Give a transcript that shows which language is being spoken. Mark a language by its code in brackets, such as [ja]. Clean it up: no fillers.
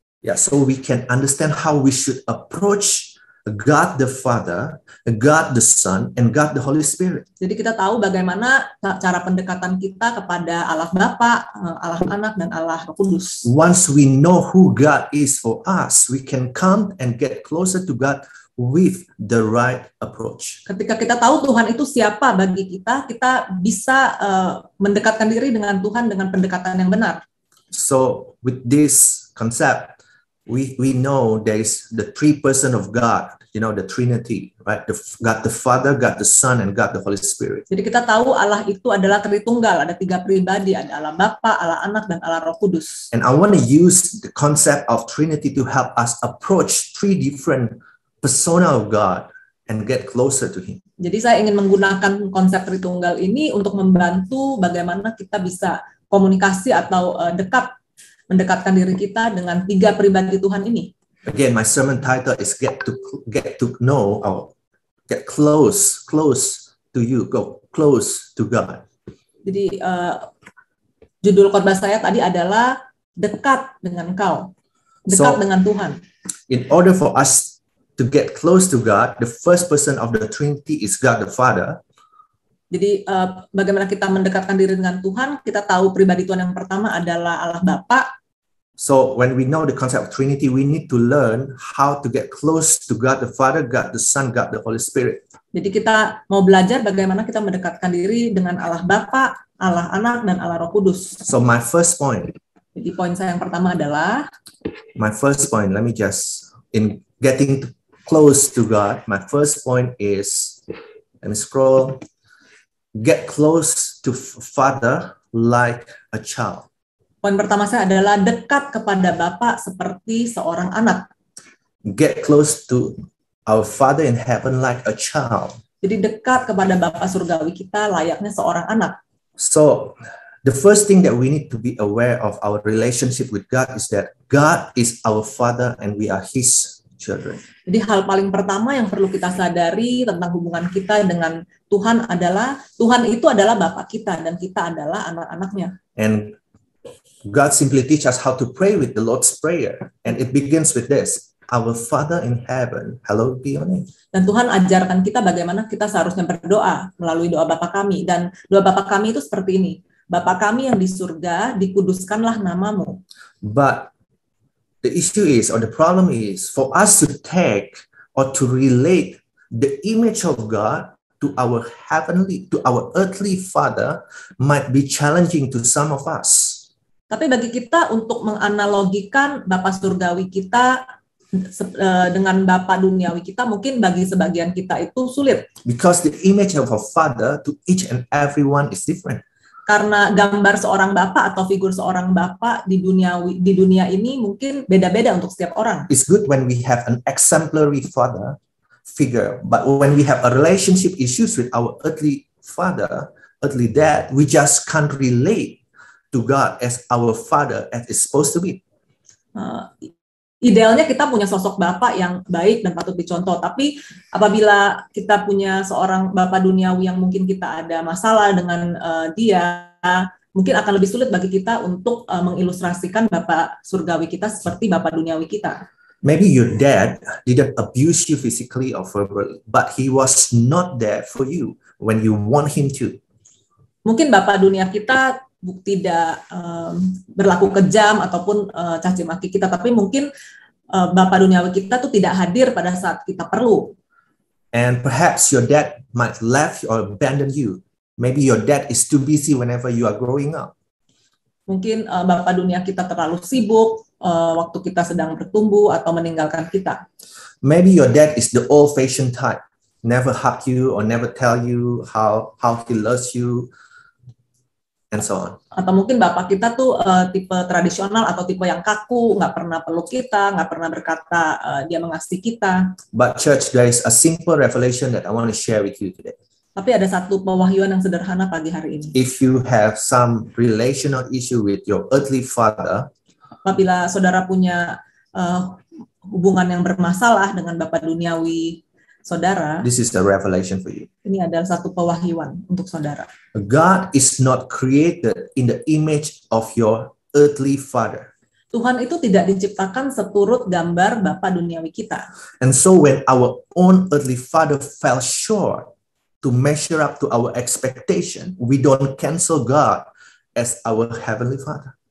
[en] Yeah, so we can understand how we should approach God the Father, God the Son, and God the Holy Spirit. [id] Jadi kita tahu bagaimana cara pendekatan kita kepada Allah Bapa, Allah Anak, dan Allah Roh Kudus. [en] Once we know who God is for us, we can come and get closer to God with the right approach. [id] Ketika kita tahu Tuhan itu siapa bagi kita, kita bisa mendekatkan diri dengan Tuhan dengan pendekatan yang benar. [en] So with this concept, we know there is the three person of God, you know, the Trinity, right? The God the Father, God the Son, and God the Holy Spirit. [id] Jadi kita tahu Allah itu adalah Tritunggal, ada tiga pribadi, ada Allah Bapa, Allah Anak, dan Allah Roh Kudus. [en] And I want to use the concept of Trinity to help us approach three different persona of God and get closer to Him. [id] Jadi saya ingin menggunakan konsep Tritunggal ini untuk membantu bagaimana kita bisa komunikasi atau dekat, mendekatkan diri kita dengan tiga pribadi Tuhan ini. [en] Again, my sermon title is get to know or get close to you, go close to God. [id] Jadi judul khotbah saya tadi adalah dekat dengan Kau, dekat dengan Tuhan. [en] In order for us to get close to God, the first person of the Trinity is God the Father. [id] Jadi bagaimana kita mendekatkan diri dengan Tuhan? Kita tahu pribadi Tuhan yang pertama adalah Allah Bapa. [en] So when we know the concept of Trinity, we need to learn how to get close to God the Father, God the Son, God the Holy Spirit. [id] Jadi kita mau belajar bagaimana kita mendekatkan diri dengan Allah Bapa, Allah Anak, dan Allah Roh Kudus. [en] So my first point. [id] Jadi poin saya yang pertama adalah. [en] My first point. Let me just in getting close to God. My first point is, let me scroll. Get close to Father like a child. [id] Poin pertama saya adalah dekat kepada Bapa seperti seorang anak. [en] Get close to our Father in heaven like a child. [id] Jadi dekat kepada Bapa surgawi kita layaknya seorang anak. [en] So, the first thing that we need to be aware of our relationship with God is that God is our Father and we are His children. [id] Jadi hal paling pertama yang perlu kita sadari tentang hubungan kita dengan Tuhan adalah Tuhan itu adalah Bapa kita dan kita adalah anak-anak-Nya. [en] And God simply teaches us how to pray with the Lord's Prayer, and it begins with this: Our Father in heaven, hallowed be your name. [id] Dan Tuhan ajarkan kita bagaimana kita seharusnya berdoa melalui doa Bapa kami, dan doa Bapa kami itu seperti ini: Bapa kami yang di surga, dikuduskanlah namamu. [en] But the issue is, or the problem is, for us to take or to relate the image of God to our heavenly, to our earthly Father, might be challenging to some of us. [id] Tapi bagi kita untuk menganalogikan Bapa surgawi kita dengan Bapa duniawi kita, mungkin bagi sebagian kita itu sulit. [en] Because the image of a father to each and everyone is different. [id] Karena gambar seorang Bapa atau figur seorang Bapa di dunia ini mungkin beda-beda untuk setiap orang. [en] It's good when we have an exemplary father figure, but when we have a relationship issues with our earthly father, earthly dad, we just can't relate to God as our Father as it's supposed to be. [id] Idealnya kita punya sosok Bapak yang baik dan patut dicontoh, tapi apabila kita punya seorang Bapak duniawi yang mungkin kita ada masalah dengan dia, mungkin akan lebih sulit bagi kita untuk mengilustrasikan Bapak surgawi kita seperti Bapak duniawi kita. [en] Maybe your dad didn't abuse you physically or verbally, but he was not there for you when you want him to. [id] Mungkin Bapak dunia kita tidak berlaku kejam ataupun caci maki kita, tapi mungkin Bapa duniawi kita tuh tidak hadir pada saat kita perlu. [en] And perhaps your dad might left or abandon you. Maybe your dad is too busy whenever you are growing up. [id] Mungkin Bapa dunia kita terlalu sibuk waktu kita sedang bertumbuh atau meninggalkan kita. [en] Maybe your dad is the old fashioned type. Never hug you or never tell you how he loves you. And so on. [id] Atau mungkin bapak kita tuh tipe tradisional atau tipe yang kaku, nggak pernah peluk kita, nggak pernah berkata dia mengasihi kita. [en] But church, there is a simple revelation that I want to share with you today. [id] Tapi ada satu pewahyuan yang sederhana pagi hari ini. [en] If you have some relational issue with your earthly father, [id] apabila saudara punya hubungan yang bermasalah dengan bapak duniawi saudara, [en] this is the revelation for you. [id] Ini adalah satu pewahyuan untuk saudara. [en] God is not created in the image of your earthly father. [id] Tuhan itu tidak diciptakan seturut gambar bapak duniawi kita. [en] And so when our own earthly father fell short to measure up to our expectation, we don't cancel God as our heavenly father.